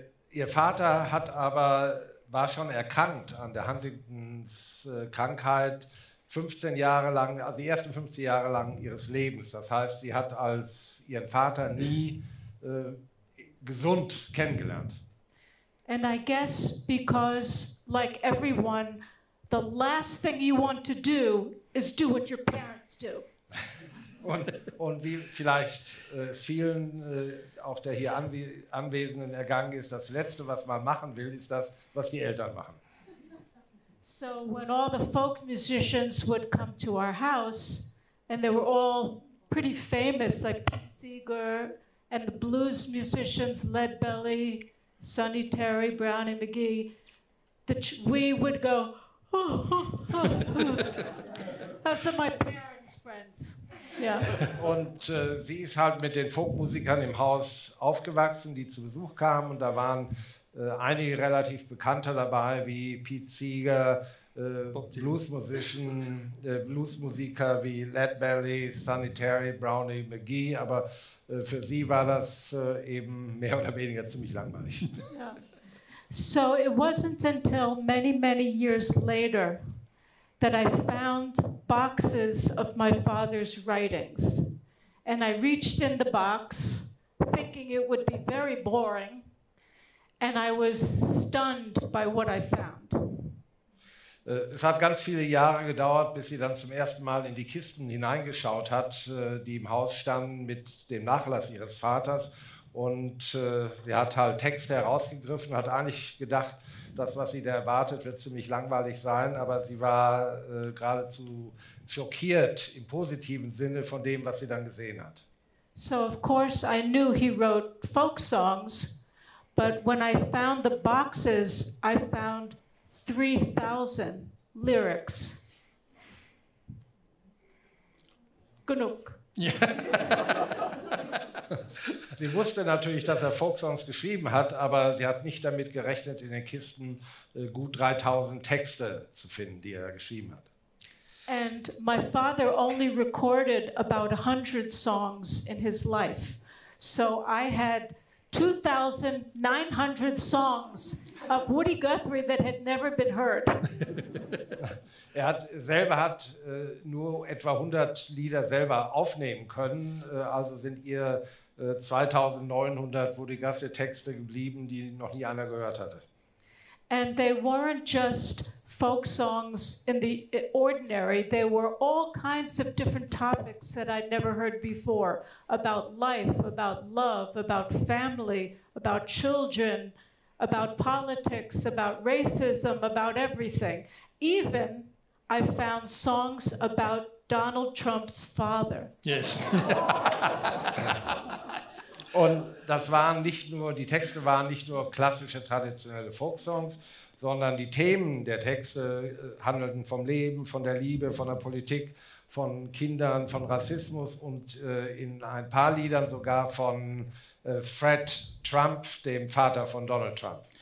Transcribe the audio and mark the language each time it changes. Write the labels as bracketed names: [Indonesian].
[German] Ihr Vater hat aber war schon erkrankt an der Huntingtons Krankheit 15 Jahre lang, also die ersten 15 Jahre lang ihres Lebens. Das heißt, sie hat als ihren Vater nie gesund kennengelernt. [English] And I guess because, like everyone, the last thing you want to do is do what your parents do. [German] Und wie vielleicht vielen auch der hier Anwesenden ergangen ist, das Letzte, was man machen will, ist das, was die Eltern machen. [English] So when all the folk musicians would come to our house, and they were all pretty famous, like Pete Seeger and the blues musicians, Lead Belly, Sonny Terry, Brownie McGee, we would go, oh, oh, oh. That's my parents' friends. Yeah. [German] Und sie ist halt mit den Folkmusikern im Haus aufgewachsen, die zu Besuch kamen, und da waren einige relativ Bekannte dabei, wie Pete Seeger, Bluesmusiker wie Lead Belly, Sonny Terry, Brownie McGee, aber für sie war das eben mehr oder weniger ziemlich langweilig. [English] Yeah. So it wasn't until many, many years later that I found boxes of my father's writings. And I reached in the box thinking it would be very boring. And I was stunned by what I found. [German] Es hat ganz viele Jahre gedauert, bis sie dann zum ersten Mal in die Kisten hineingeschaut hat, die im Haus standen mit dem Nachlass ihres Vaters. Und sie hat halt Texte herausgegriffen, hat eigentlich gedacht, das, was sie da erwartet, wird ziemlich langweilig sein. Aber sie war geradezu schockiert im positiven Sinne von dem, was sie dann gesehen hat. [English] So of course I knew he wrote folk songs. But when I found the boxes, I found 3,000 lyrics. [German] Genug. Ja. Sie wusste natürlich, dass er Folksongs geschrieben hat, aber sie hat nicht damit gerechnet, in den Kisten gut 3,000 Texte zu finden, die er geschrieben hat. [English] And my father only recorded about 100 songs in his life. So I had 2,900 songs of Woody Guthrie that had never been heard. [German] Er hat selber hat nur etwa 100 Lieder selber aufnehmen können, also sind ihr 2,900 Woody Guthrie Texte geblieben, die noch nie einer gehört hatte. [English] And they weren't just folk songs in the ordinary, they were all kinds of different topics that I'd never heard before, about life, about love, about family, about children, about politics, about racism, about everything. Even I found songs about Donald Trump's father. Yes. [German] Und das waren nicht nur, die Texte waren nicht nur klassische traditionelle Folksongs, sondern die Themen der Texte handelten vom Leben, von der Liebe, von der Politik, von Kindern, von Rassismus und in ein paar Liedern sogar von Fred Trump, dem Vater von Donald Trump.